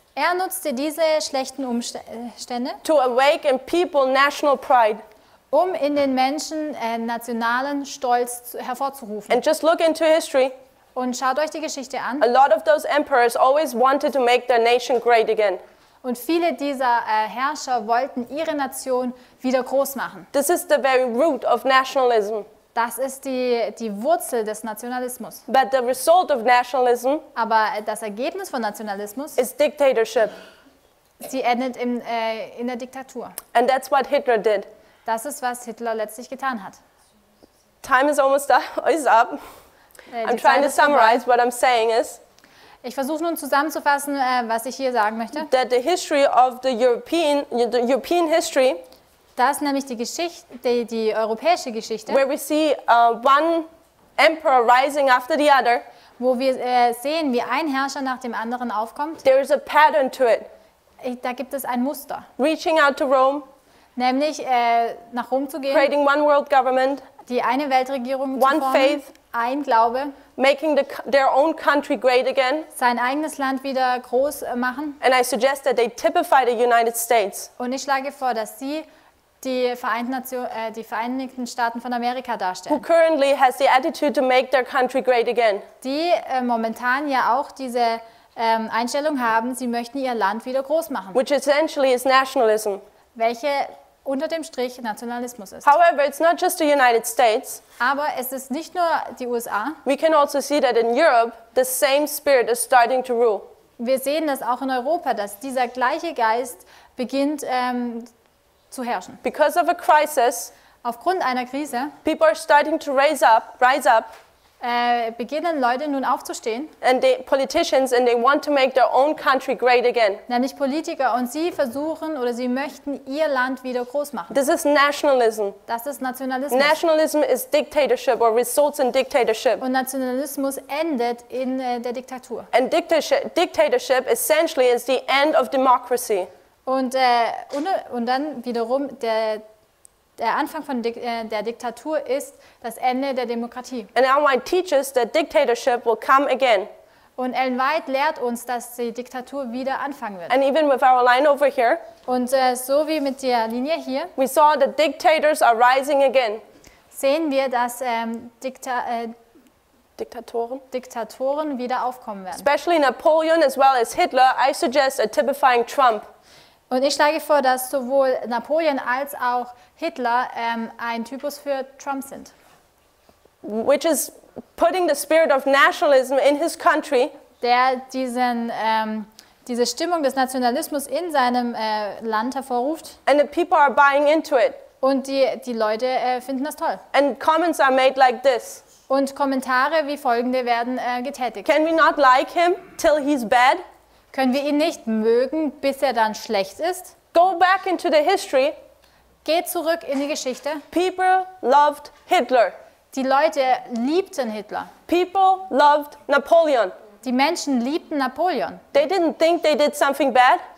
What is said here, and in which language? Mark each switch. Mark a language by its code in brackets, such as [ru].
[de] Er nutzte diese schlechten Umstände. [en] To awake in people national pride. [de] Um in den Menschen nationalen Stolz hervorzurufen. [en] And just look into history. [de] Und schaut euch die Geschichte an. [en] A lot of those emperors always wanted to make their nation great again. [de] Und viele dieser Herrscher wollten ihre Nation wieder groß machen. [en] This is the very root of nationalism. [de] Das ist die Wurzel des Nationalismus. [en] But the result of nationalism. [de] Aber das Ergebnis von Nationalismus. [en] Is dictatorship. [de] Sie endet in der Diktatur. [en] And that's what Hitler did. [de] Das ist, was Hitler letztlich getan hat. [en] Time is almost up. I'm trying to summarize what I'm saying is. [de] Ich versuche nun zusammenzufassen, was ich hier sagen möchte. [en] That the history of the European history. [de] Das nämlich die Geschichte, die europäische Geschichte. [en] Where we see one emperor rising after the other. [de] Wo wir sehen, wie ein Herrscher nach dem anderen aufkommt. [en] There is a pattern to it. [de] Da gibt es ein Muster. [en] Reaching out to Rome. [de] Nämlich nach Rom zu gehen. [en] Creating one world government. [de] Die eine Weltregierung [en] one [de] zu [en] faith. [de] Ein Glaube, [en] making their own country great again, [de] sein eigenes Land wieder groß machen. [en] And I suggest that they typify the United States. [de] Und ich schlage vor, dass sie die Vereinigten Staaten von Amerika darstellen. [en] Who currently has the attitude to make their country great again? [de] Die momentan ja auch diese Einstellung haben. Sie möchten ihr Land wieder groß machen. [en] Which essentially is nationalism. [de] Welche unter dem Strich Nationalismus ist. [en] However, it's not just the United States. [de] Aber es ist nicht nur die USA. [en] We can also see that in Europe the same spirit is starting to rule. [de] Wir sehen das auch in Europa, dass dieser gleiche Geist beginnt zu herrschen. [en] Because of a crisis, [de] aufgrund einer Krise, [en] people are starting to rise up. [de] Beginnen Leute nun aufzustehen. [en] And the politicians, and they want to make their own country great again. [de] Nämlich Politiker, und sie versuchen oder sie möchten ihr Land wieder groß machen. [en] This is nationalism. [de] Das ist Nationalismus. [en] Nationalism is dictatorship or results in dictatorship. [de] Und Nationalismus endet in der Diktatur. [en] And dictatorship essentially is the end of democracy. [de] Und dann wiederum der Anfang von der Diktatur ist das Ende der Demokratie. [en] And Ellen White teaches that dictatorship will come again. [de] Und Ellen White lehrt uns, dass die Diktatur wieder anfangen wird. [en] And even with our line over here, [de] und so wie mit der Linie hier, [en] we saw that dictators are rising again. [de] Sehen wir, dass Diktatoren wieder aufkommen werden. [en] Especially Napoleon as well as Hitler, I suggest a typifying Trump. [de] Und ich schlage vor, dass sowohl Napoleon als auch Hitler ein Typus für Trump sind. [en] Which is putting the spirit of nationalism in his country. [de] Der diese Stimmung des Nationalismus in seinem Land hervorruft. [en] And the people are buying into it. [de] Und die Leute finden das toll. [en] And comments are made like this. [de] Und Kommentare wie folgende werden getätigt. [en] Can we not like him till he's bad? [de] Können wir ihn nicht mögen, bis er dann schlecht ist? [en] Go back into the history. [de] Geh zurück in die Geschichte. [en] People loved Hitler. [de] Die Leute liebten Hitler. [en] People loved Napoleon. [de] Die Menschen liebten Napoleon. [en] They didn't think they did something bad.